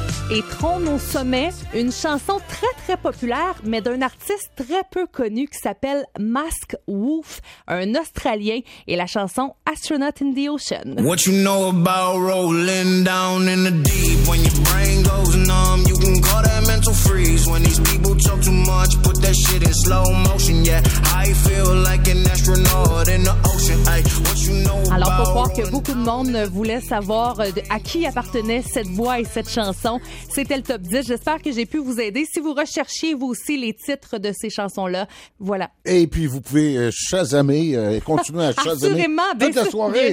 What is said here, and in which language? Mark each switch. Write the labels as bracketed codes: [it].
[fr] Et Trône au sommet, une chanson très, très populaire, mais d'un artiste très peu connu qui s'appelle Mask Wolf, un Australien, et la chanson Astronaut in the Ocean. [en] What you know about rolling down in the deep? When your brain goes numb, you can call that mental freeze. When these people talk too much, put that shit in slow motion, yeah. I feel like an astronaut in the ocean, ay. [fr] Alors, faut croire que beaucoup de monde voulait savoir à qui appartenait cette voix et cette chanson. C'était le top 10. J'espère que j'ai pu vous aider. Si vous recherchiez, vous aussi, les titres de ces chansons-là, voilà. Et puis, vous pouvez chasamer et continuer à chasamer toute la soirée.